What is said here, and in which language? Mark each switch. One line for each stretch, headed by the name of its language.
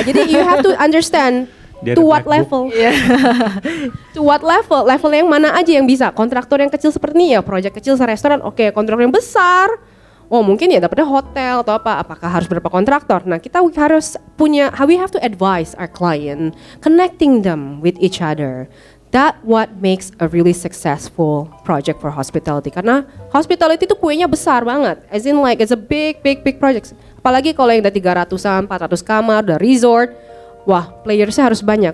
English: Jadi you have to understand to what MacBook level. To what level?
Indonesian: Level yang mana aja yang bisa? Kontraktor yang kecil seperti ini ya, proyek kecil se-restoran. Oke, kontraktor yang besar. Oh, mungkin ya dapatnya hotel atau apa? Apakah harus berapa kontraktor? Nah, kita harus punya
English: how we have to advise our client, connecting them with each other. That what makes a really successful project for hospitality.
Indonesian: Karena hospitality itu kuenya besar banget.
English: As in like it's a big project.
Indonesian: Apalagi kalau yang ada 300-an, 400 kamar, the resort. Wah, playersnya harus banyak.